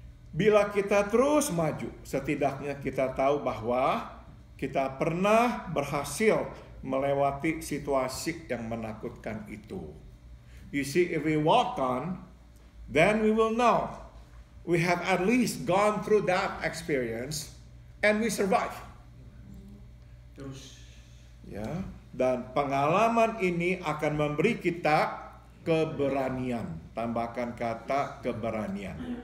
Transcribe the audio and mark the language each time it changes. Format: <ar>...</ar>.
<id>Bila kita terus maju, setidaknya kita tahu bahwa kita pernah berhasil melewati situasi yang menakutkan itu.</id> <en>You see, if we walk on, then we will know we have at least gone through that experience and we survive.</en> <id>Terus. Ya, dan pengalaman ini akan memberi kita keberanian. Tambahkan kata keberanian.</id>